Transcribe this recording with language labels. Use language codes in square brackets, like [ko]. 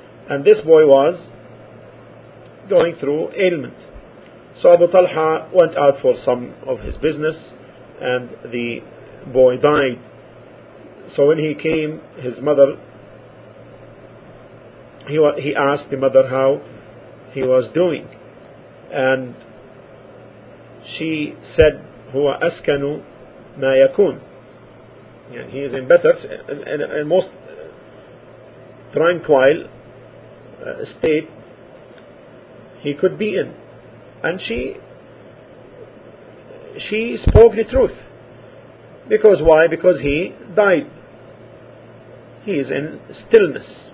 [en] And this boy was going through ailment. So Abu Talha went out for some of his business, and the boy died. So when he came, his mother, he asked the mother how he was doing. And she said, [ar] هو أسكن ما يكون. [en] Yeah, he is in better, in most tranquil state he could be in. And she spoke the truth. Because why? Because he died. He is in stillness.